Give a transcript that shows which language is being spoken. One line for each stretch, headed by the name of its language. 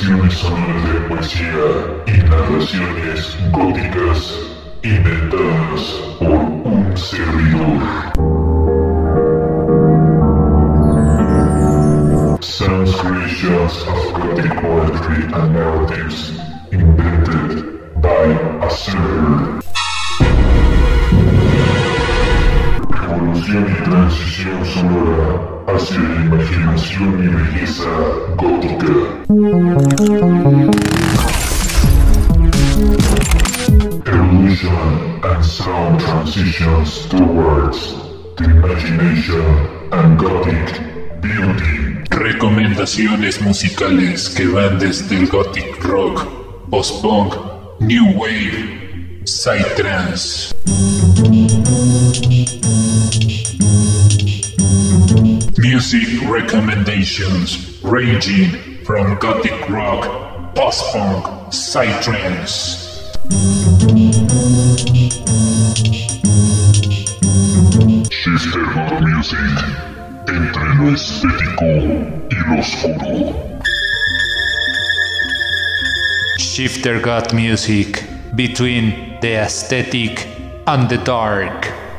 Spanish: Sonoras de poesía y narraciones góticas inventadas por un servidor.
English: Sounds creations of gothic poetry and narratives invented by a server.
Spanish: Revolución y transición sonora hacia la imaginación y belleza gótica.
English: Evolution and sound transitions towards the imagination and gothic beauty.
Spanish: Recomendaciones musicales que van desde el gothic rock, post-punk, new wave, psytrance.
English: Music recommendations ranging from gothic rock, post-punk, psytrance.
Spanish: Shifter God Music, entre lo estético y lo oscuro.
English: Shifter God Music, between the aesthetic and the dark.